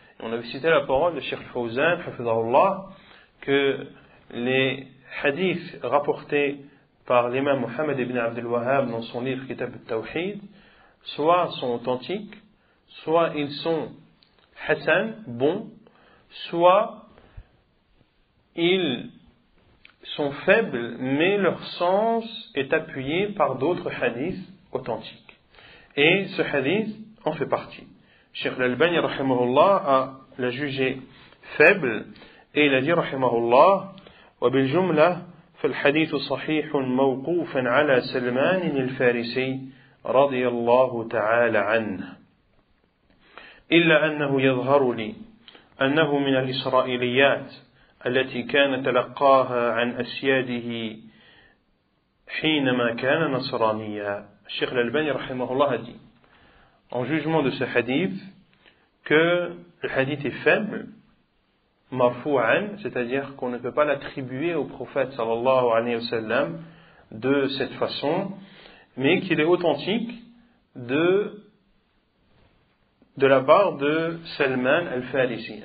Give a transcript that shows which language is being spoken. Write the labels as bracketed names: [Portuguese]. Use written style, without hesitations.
[French] Et on avait cité la parole de Cheikh Fawzan, hafidhahullah, que les hadiths rapportés par l'imam Muhammad ibn Abdel Wahhab dans son livre Kitab al-Tawhid, soit sont authentiques, soit ils sont hassan, bons, soit ils sont faibles, mais leur sens est appuyé par d'autres hadiths authentiques. Et ce hadith en fait partie. Cheikh l'Albani, rahimahullah, l'a jugé faible, et il a dit, rahimahullah, [Arabic] وبالجملة jumla, فالحديث صحيح موقوف على سلمان الفارسي رضي الله تعالى عنه إلا أنه يظهر لي أنه من الإسرائيليات التي كان تلقاها عن أسياده حينما كان نصرانيا. الشيخ الألباني رحمه الله دي [French] en jugement de ce hadith que le hadith est faible, marfou'an, c'est-à-dire qu'on ne peut pas l'attribuer au prophète sallallahu alayhi wa sallam de cette façon, mais qu'il est authentique de la part de Salman al-Farisi.